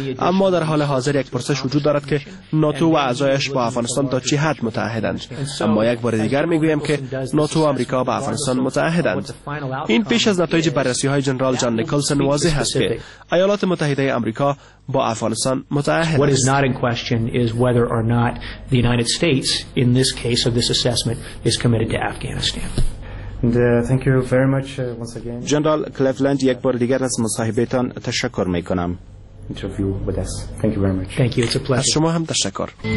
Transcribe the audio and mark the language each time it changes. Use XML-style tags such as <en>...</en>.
<fa>اما در حال حاضر یک پرسش وجود دارد که ناتو و اعضایش با افغانستان تا چه حد متعهدند. اما یک بار دیگر می گویم که ناتو و آمریکا با افغانستان متعهدند. این پیش از نتایج بررسی های جنرال جان نیکلسن واضح است که ایالات متحده آمریکا با افغانستان متعهد.</fa> <en>What is not in question is whether or not the United States in this case of this assessment is committed to Afghanistan. Thank you very much once again.</en> <fa>جنرال کلیولند، یک بار دیگر از مصاحبتان تشکر می کنم.</fa> <en>Interview with us. Thank you very much. Thank you. It's a pleasure.</en> <fa>از شما هم تشکر.</fa>